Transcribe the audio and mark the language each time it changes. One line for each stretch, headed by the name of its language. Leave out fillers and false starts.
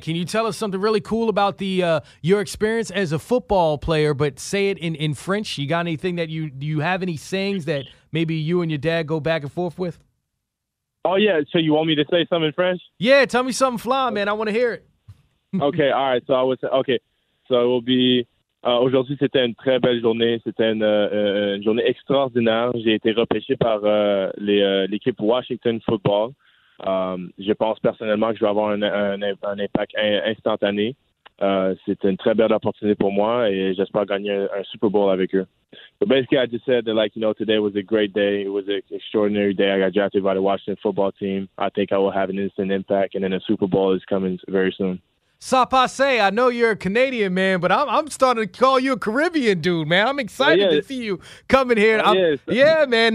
English: Can you tell us something really cool about the your experience as a football player, but say it in French? You got anything that you – do you have any sayings that maybe you and your dad go back and forth with? Oh, yeah. So you want me to say something in French? Yeah, tell me something fly, man. I want to hear it. Okay, all right. So I would say – okay. So it will be
French: – aujourd'hui, c'était une très belle journée. C'était une journée extraordinaire. J'ai été repêché par l'équipe Washington Football. Je pense personnellement que je vais avoir un impact instantané. C'est une très belle opportunité pour moi et j'espère gagner un Super Bowl avec eux.
English: So basically, I just said that, like, you know, today was a great day. It was an extraordinary day. I got drafted by the Washington Football Team. I think I will have an instant impact, and then a Super Bowl is coming very soon.
French: Ça passe.
English: I know you're a Canadian man, but I'm starting to call you a Caribbean dude, man. I'm excited to see you coming here. Yeah, man.